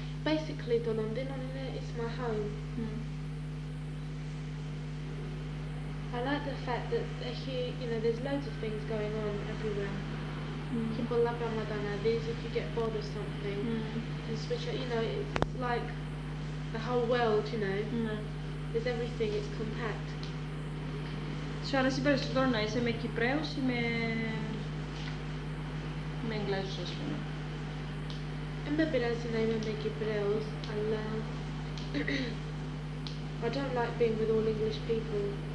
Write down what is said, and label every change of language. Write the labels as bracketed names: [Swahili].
[English] Basically, [Greek] το Λονδίνο είναι [English] it's my home. I like the fact that you know, there's loads of things going on everywhere. You pull up on these if you get bored of something. And switch it, you know, it's like the whole world, you know. There's everything, it's compact. [Greek] Σου αρέσει περισσότερο να είσαι με Κυπραίους ή με... με Εγγλέζους, ας πούμε. Δεν με πειράζει να είμαι με Κυπραίους, αλλά... [English] I don't like being with all English people.